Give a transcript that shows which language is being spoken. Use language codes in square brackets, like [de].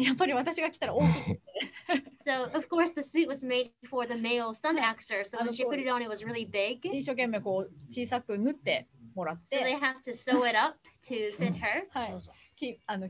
[ja] やっぱり私が着たら大きい。So [en] of course the suit was made for the male stunt actor. So when she put it on, it was really big. [ja] 一生懸命こう小さく縫ってもらって。 [en] So they have to sew it up to fit her.